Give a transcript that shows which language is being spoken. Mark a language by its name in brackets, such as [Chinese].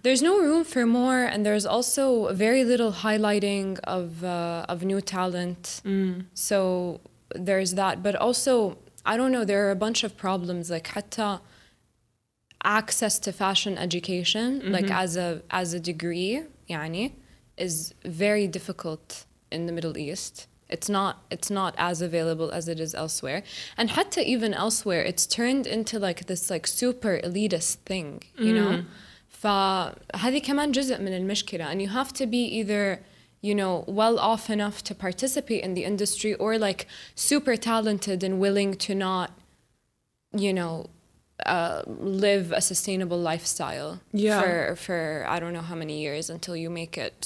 [English] There's no room for more, and there's also very little highlighting of new talent, so there's that, but also, I don't know, there are a bunch of problems, like hatta access to fashion education, like as a degree, يعني, is very difficult in the Middle East. It's not as available as it is elsewhere. And hatta even elsewhere, it's turned into like this like super elitist thing, you know? [Arabic] فهذه كمان جزء من المشكلة. [English] And you have to be either, you know, well off enough to participate in the industry or like super talented and willing to not, you know, live a sustainable lifestyle for I don't know how many years until you make it.